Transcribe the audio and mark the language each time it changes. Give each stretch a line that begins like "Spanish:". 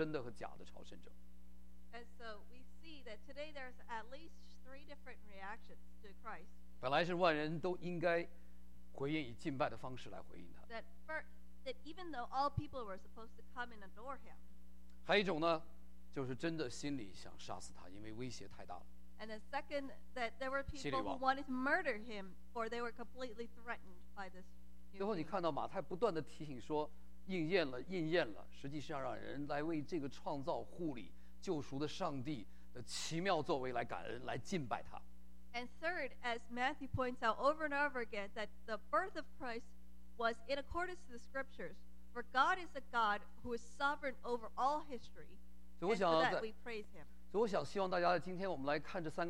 Chinese: 所以我们今天如果我们来看，这个我已经打开了，好像这里是没电的。哦，不行，你就帮忙啊！你看我们今天在这段经文里，我们至少来看好几种不同的反应，在朝圣者里头有真的和假的朝圣者。
English: And so we see that today there's at least three different reactions to Christ.
Chinese: 本来是万人都应该。回应以敬拜的方式来回应他。
English: That even though all people were supposed to come and adore him.
Chinese: 还有一种呢，就是真的心里想杀死他，因为威胁太大了。
English: And the second, that there were people who wanted to murder him, or they were completely threatened by this.
Chinese: 最后你看到马太不断的提醒说，应验了，应验了，实际上让人来为这个创造、护理、救赎的上帝的奇妙作为来感恩，来敬拜他。
English: And third, as Matthew points out over and over again, that the birth of Christ was in accordance to the scriptures. For God is a God who is sovereign over all history, and for that we praise him.